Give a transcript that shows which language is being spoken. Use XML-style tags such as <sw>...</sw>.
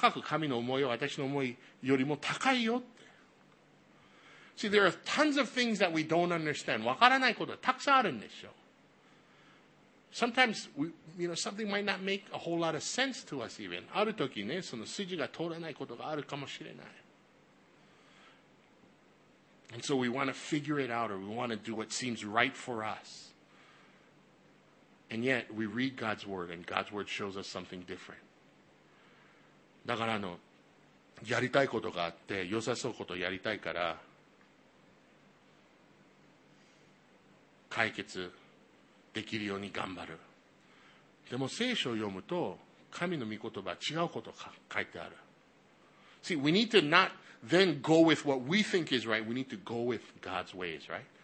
<ja>旧約聖書、イザヤ書に書いてあるんだよね。神の道は私たちの道より高く、神の思いは私の思いよりも高いよって。</ja> <en>See, there are tons of things that we don't understand.</en> <ja>わからないことはたくさんあるんでしょ。</ja> <en>Sometimes, something might not make a whole lot of sense to us even.</en> <ja>ある時ね、その筋が通らないことがあるかもしれない。</ja> <en>And so we want to figure it out, or we want to do what seems right for us. And yet, we read God's word, and God's word shows us something different.</en> <ja>だからやりたいことがあって、良さそうことやりたいから、解決できるように頑張る。でも聖書を読むと、神の御言葉、違うことが書いてある。</ja> <en>See, we need to not then go with what we think is right. We need to go with God's ways, right?</en>